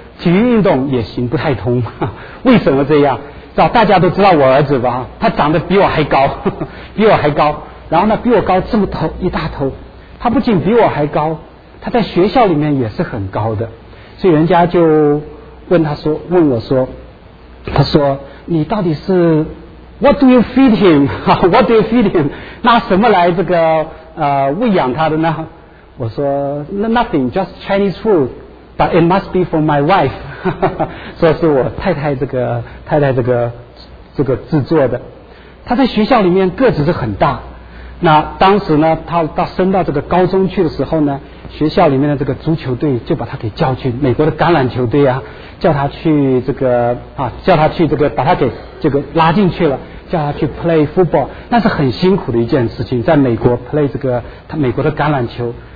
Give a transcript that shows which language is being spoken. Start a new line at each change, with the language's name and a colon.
Chinese: 体育运动也行不太通，为什么这样？大家都知道我儿子吧，他长得比我还高，比我还高，然后呢比我高这么头一大头，他不仅比我还高，他在学校里面也是很高的，所以人家就问他说，问我说，他说你到底是
English: what do you feed him
Chinese: what do you feed him， 拿什么来这个喂养他的呢？我说
English: nothing， just Chinese food， but it must be for my wife，
Chinese: 说是我太太这个太太这个制作的。他在学校里面个子是很大，那当时呢他到升到这个高中去的时候呢，学校里面的这个足球队就把他给叫去美国的橄榄球队啊，叫他去这个啊，叫他去这个把他给这个拉进去了，叫他去
English: play football，
Chinese: 那是很辛苦的一件事情，在美国 play 这个他美国的橄榄球